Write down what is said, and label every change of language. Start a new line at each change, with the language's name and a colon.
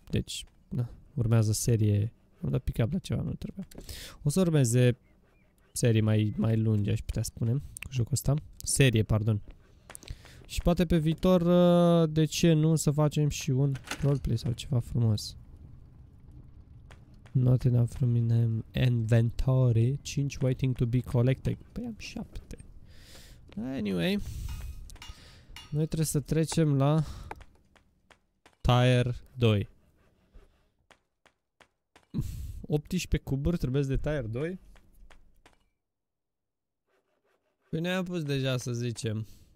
Romanian: Deci, da, urmează serie. Am dat pick-up la ceva, nu trebuie. O să urmeze serie mai lungi, aș putea spune, cu jocul ăsta. Serie, pardon. Și poate pe viitor, de ce nu, să facem și un roleplay sau ceva frumos.
English: Not enough from in inventory. 5 waiting to be collected.
Romanian: Păi am 7. Anyway, noi trebuie să trecem la tier 2. 18 cuburi trebuie de tier 2. Păi ne-am pus deja să zicem.